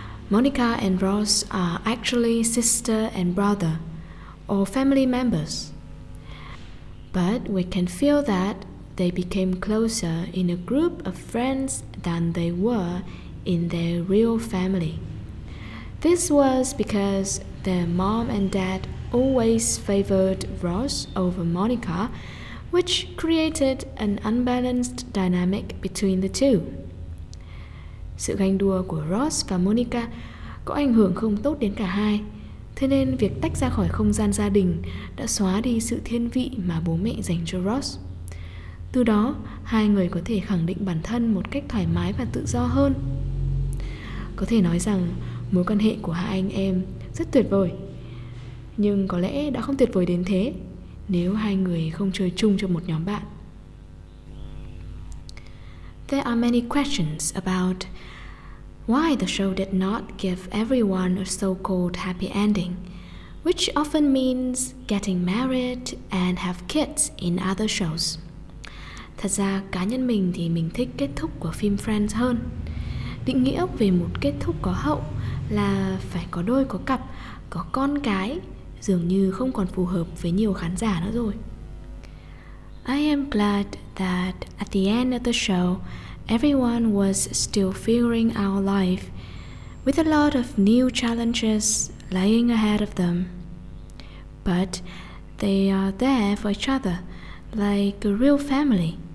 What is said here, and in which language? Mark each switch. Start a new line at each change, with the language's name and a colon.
English: Monica and Ross are actually sister and brother, or family members. But we can feel that they became closer in a group of friends than they were in their real family. This was because their mom and dad always favored Ross over Monica, which created an unbalanced dynamic between the two.
Vietnamese: Sự ganh đua của Ross và Monica có ảnh hưởng không tốt đến cả hai. Thế nên việc tách ra khỏi không gian gia đình đã xóa đi sự thiên vị mà bố mẹ dành cho Ross. Từ đó, hai người có thể khẳng định bản thân một cách thoải mái và tự do hơn. Có thể nói rằng mối quan hệ của hai anh em rất tuyệt vời. Nhưng có lẽ đã không tuyệt vời đến thế nếu hai người không chơi chung cho một nhóm bạn.
English: There are many questions about why the show did not give everyone a so-called happy ending, which often means getting married and have kids in other shows.
Vietnamese: Thật ra, cá nhân mình thì mình thích kết thúc của phim Friends hơn. Định nghĩa về một kết thúc có hậu là phải có đôi, có cặp, có con cái, dường như không còn phù hợp với nhiều khán giả nữa rồi.
English: I am glad that at the end of the show, everyone was still figuring out life, with a lot of new challenges lying ahead of them. But they are there for each other, like a real family.